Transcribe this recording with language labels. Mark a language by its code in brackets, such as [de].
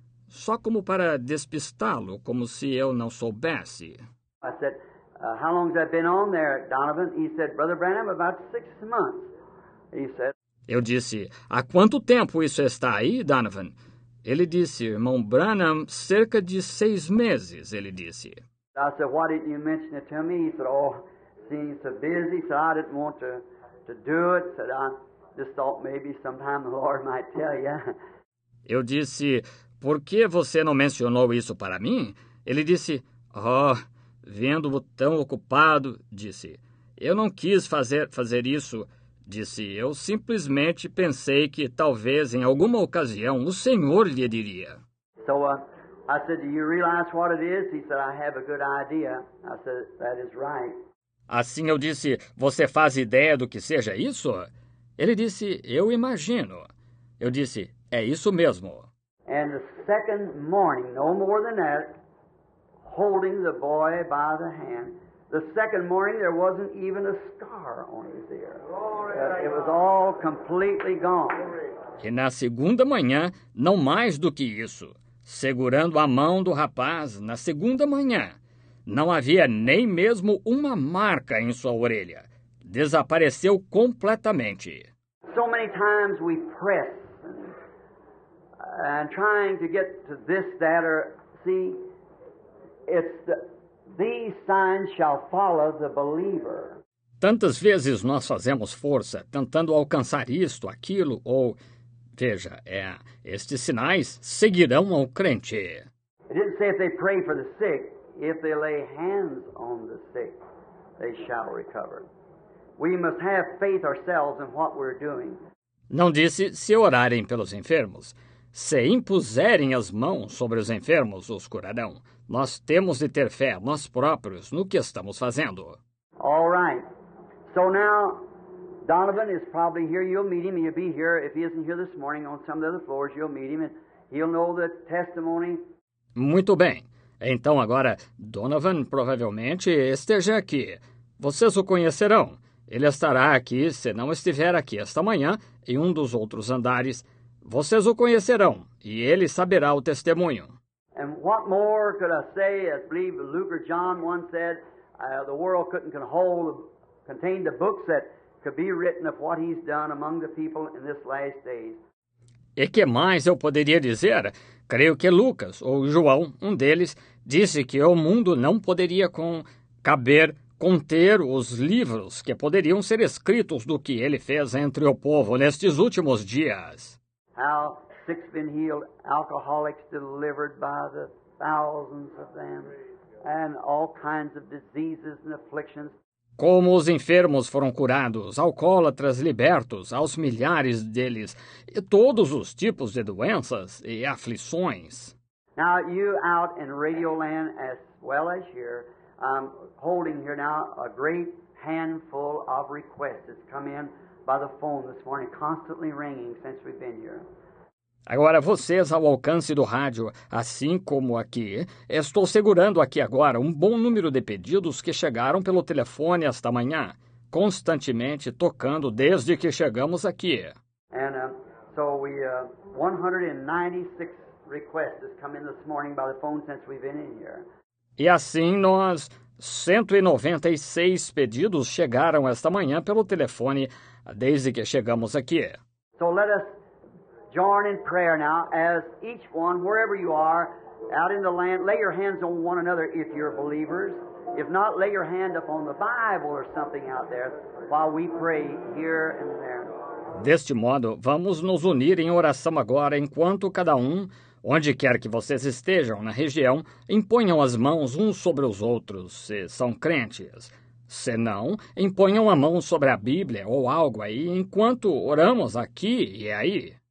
[pt] Só como para despistá-lo, como se eu não soubesse. [en] I said, how long has that been on there, Donovan? He said, Brother Branham, about 6 months. He said. [pt] Eu disse, há quanto tempo isso está aí, Donovan? Ele disse, irmão Branham, cerca de 6 meses, ele disse. [en] I said, why didn't you mention it to me? He said, oh, seems so busy, so I didn't want to do it. He said, I just thought maybe sometime the Lord might tell you. [pt] Eu disse, por que você não mencionou isso para mim? Ele disse, oh, vendo-o tão ocupado, disse, eu não quis fazer isso. Disse, eu simplesmente pensei que talvez em alguma ocasião o Senhor lhe diria. [en] So, I said, do you realize what it is? He said, I have a good idea. I said, that is right. [pt] Assim eu disse, você faz ideia do que seja isso? Ele disse, eu imagino. Eu disse, é isso mesmo. [en] And the second morning, no more than that, holding the boy by the hand. The second morning, there wasn't even a scar on his ear. It was all completely gone. [pt] E na segunda manhã, não mais do que isso. Segurando a mão do rapaz, na segunda manhã, não havia nem mesmo uma marca em sua orelha. Desapareceu completamente. [en] So many times we press and trying to get to this, that, or see, it's the, these signs shall follow the believer. [pt] Tantas vezes nós fazemos força tentando alcançar isto, aquilo, ou veja, é, estes sinais seguirão ao crente. [en] It didn't say if they pray for the sick, if they lay hands on the sick, they shall recover. We must have faith ourselves in what we're doing. [pt] Não disse se orarem pelos enfermos. Se impuserem as mãos sobre os enfermos, os curarão. Nós temos de ter fé nós próprios no que estamos fazendo. [en] All right. So now, Donovan is probably here. You'll meet him. He'll be here. If he isn't here this morning, on some of the other floors, you'll meet him. And he'll know the testimony. [pt] Muito bem. Então agora, Donovan provavelmente esteja aqui. Vocês o conhecerão. Ele estará aqui, se não estiver aqui esta manhã, em um dos outros andares. Vocês o conhecerão, e ele saberá o testemunho. E o que mais posso dizer? Eu acredito que Luke ou John [en] once said, the world couldn't contain the books that could be written of what he's done among the people in this last days. [pt] E que mais eu poderia dizer? Creio que Lucas ou João, um deles, disse que o mundo não poderia conter os livros que poderiam ser escritos do que ele fez entre o povo nestes últimos dias. [en] How sick been healed, alcoholics delivered by the thousands of them, and all kinds of diseases and afflictions. [pt] Como os enfermos foram curados, alcoólatras libertos aos milhares deles, e todos os tipos de doenças e aflições. [en] Now you out in Radioland as well as here, I'm holding here now a great handful of requests that's come in by the phone this morning, constantly ringing since we've been here. [pt] Agora, vocês ao alcance do rádio, assim como aqui, estou segurando aqui agora um bom número de pedidos que chegaram pelo telefone esta manhã, constantemente tocando desde que chegamos aqui. [en] And so we 196 requests has come in this morning by the phone since we've been in here. [pt] E assim nós, 196 pedidos chegaram esta manhã pelo telefone desde que chegamos aqui. [en] So let us join in prayer now as each one, wherever you are, out in the land, lay your hands on one another if you're believers. If not, lay your hand up on the Bible or something out there while we pray here and there. [pt] Deste modo, vamos nos unir em oração agora enquanto cada um, onde quer que vocês estejam na região, imponham as mãos uns sobre os outros, se são crentes. Se não, imponham a mão sobre a Bíblia ou algo aí, enquanto oramos aqui e aí.